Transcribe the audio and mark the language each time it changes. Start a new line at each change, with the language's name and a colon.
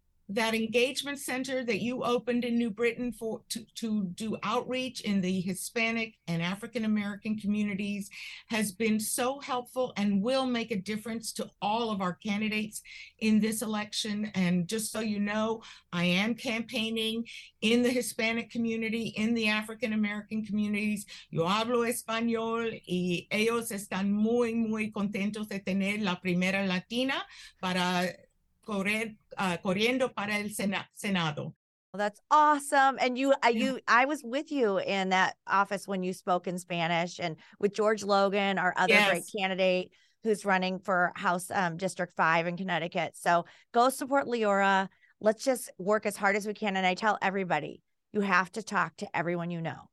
English: That engagement center that you opened in New Britain to do outreach in the Hispanic and African American communities has been so helpful and will make a difference to all of our candidates in this election. And just so you know, I am campaigning in the Hispanic community, in the African American communities.
Spanish: Yo hablo español y ellos están muy, muy contentos de tener la primera Latina para corriendo para el Senado.
English: Well, that's awesome. And I was with you in that office when you spoke in Spanish, and with George Logan, our other great candidate who's running for House District 5 in Connecticut. So go support Leora. let's just work as hard as we can. And I tell everybody, you have to talk to everyone you know.